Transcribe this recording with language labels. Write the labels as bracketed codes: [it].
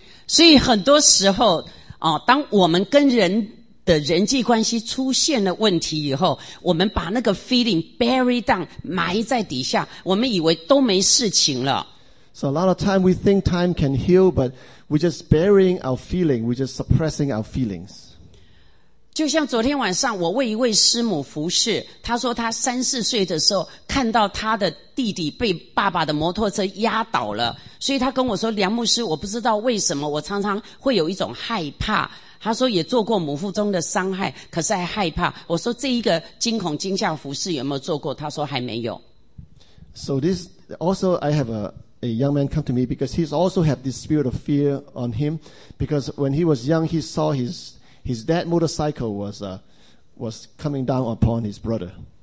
[zh] 所以很多时候，当我们跟人的人际关系出现了问题以后，我们把那个 [en] feeling buried down, [zh] 埋在底下，我们以为都没事情了。 [en] So a lot of time we think time can heal, but we're just burying our feeling, we're just suppressing our feelings. [zh] 就像昨天晚上我为一位师母服侍，她说她三四岁的时候看到她的弟弟被爸爸的摩托车压倒了，所以她跟我说，梁牧师，我不知道为什么我常常会有一种害怕，她说也做过母腹中的伤害，可是还害怕。我说这一个惊恐惊吓服侍有没有做过？她说还没有。 [en] So this also I have a young man come to me because he's also had this spirit of fear on him, because when he was young he saw his dad motorcycle was coming down upon his brother.